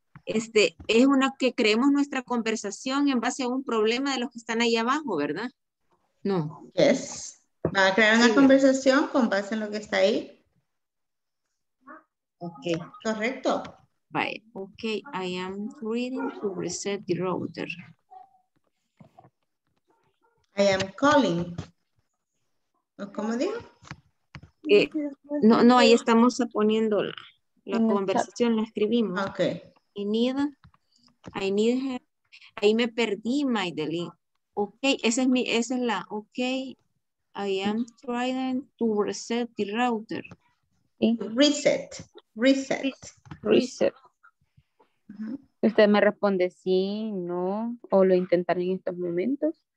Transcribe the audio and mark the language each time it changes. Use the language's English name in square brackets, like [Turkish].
[Spanish] Es una que creemos nuestra conversación en base a un problema de los que están ahí abajo, ¿verdad? No. [English] Yes. [Spanish] ¿Va a crear una conversación con base en lo que está ahí? [English] Ok. [Spanish] Correcto. [English] Bye. Ok, I am reading to reset the router. I am calling. [Spanish] ¿Cómo digo? No, ahí estamos poniendo la conversación, la escribimos. [English] Ok. I need help. [Spanish] Ahí me perdí, Maydelin. Ok, esa es la. [English] Ok, I am trying to reset the router. Reset. Uh-huh. [Spanish] ¿Usted me responde sí, no, o lo intentaré en estos momentos?